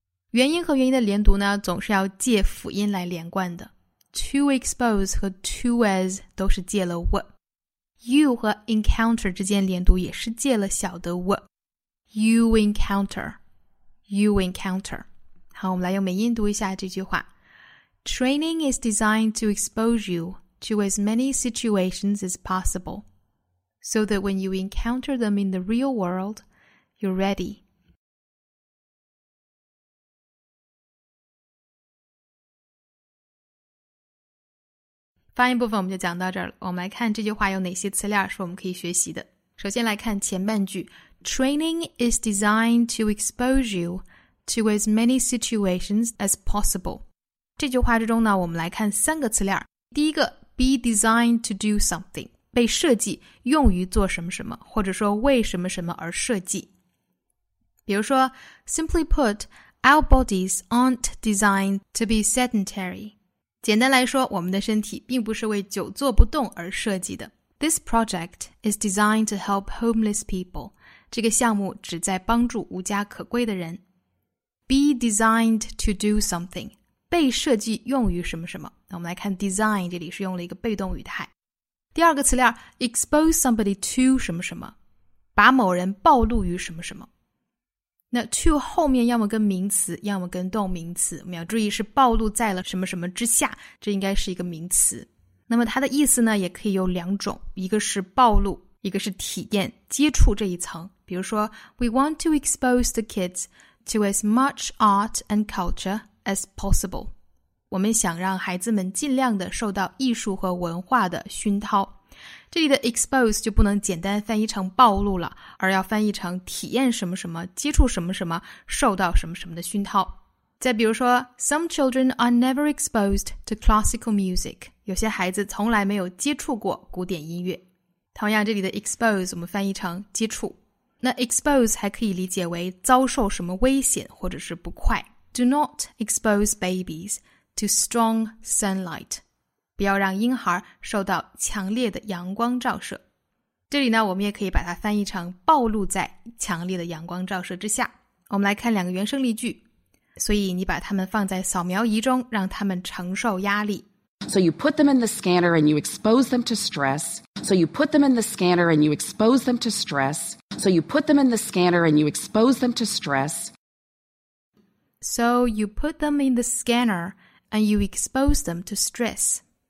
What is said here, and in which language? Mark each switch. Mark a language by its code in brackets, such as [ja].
[zh] 元音和元音的连读呢，总是要借辅音来连贯的。 [en] To expose [zh] 和 [en] to as [zh] 都是借了 w。 You 和 encounter 之间连读也是借了小的 w。 [en] You encounter. [zh] 好，我们来用美音读一下这句话。 [en] Training is designed to expose you to as many situations as possible, so that when you encounter them in the real world, you're ready. [zh] Final 部分我们就讲到这儿了。我们来看这句话有哪些词链是我们可以学习的。首先来看前半句 [en] ,Training is designed to expose you to as many situations as possible. [zh] 这句话之中呢，我们来看三个词链。第一个 , [en] be designed to do something, [zh] 被设计用于做什么什么或者说为什么什么而设计。比如说 [en] ,simply put, our bodies aren't designed to be sedentary. [zh] 简单来说，我们的身体并不是为久坐不动而设计的。 [en] This project is designed to help homeless people. [zh] 这个项目旨在帮助无家可归的人。 [en] Be designed to do something. [zh] 被设计用于什么什么。那我们来看 design 这里是用了一个被动语态。第二个词链 [en] expose somebody to [zh] 什么什么。把某人暴露于什么什么。那 to 后面要么跟名词要么跟动名词，我们要注意是暴露在了什么什么之下，这应该是一个名词。那么它的意思呢也可以有两种，一个是暴露，一个是体验接触这一层。比如说 [en] We want to expose the kids to as much art and culture as possible. [zh] 我们想让孩子们尽量的受到艺术和文化的熏陶。这里的 expose 就不能简单翻译成暴露了，而要翻译成体验什么什么，接触什么什么，受到什么什么的熏陶。再比如说 [en] ,some children are never exposed to classical music. [zh] 有些孩子从来没有接触过古典音乐。同样这里的 expose 我们翻译成接触。那 expose 还可以理解为遭受什么危险或者是不快。 [en] Do not expose babies to strong sunlight. [zh] 不要让婴孩受到强烈的阳光照射。这里呢，我们也可以把它翻译成暴露在强烈的阳光照射之下。我们来看两个原声例句。所以你把它们放在扫描仪中，让它们承受压力。 [en] So you put them in the scanner and you expose them to stress. So you put them in the scanner and you expose them to stress. So you put them in the scanner and you expose them to stress. So you put them in the scanner and you expose them to stress.